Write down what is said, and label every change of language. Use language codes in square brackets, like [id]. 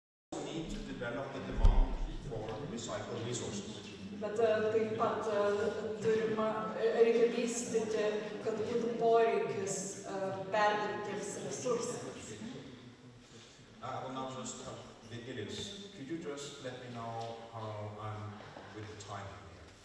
[en] We also need to develop the demand for recycled resources. [lt] Bet taip pat turime reikia vystyti, kad būtų poreikis perdirbtiems resursams. [en] Well, not just it is. Could you just let me know how I'm with the time here?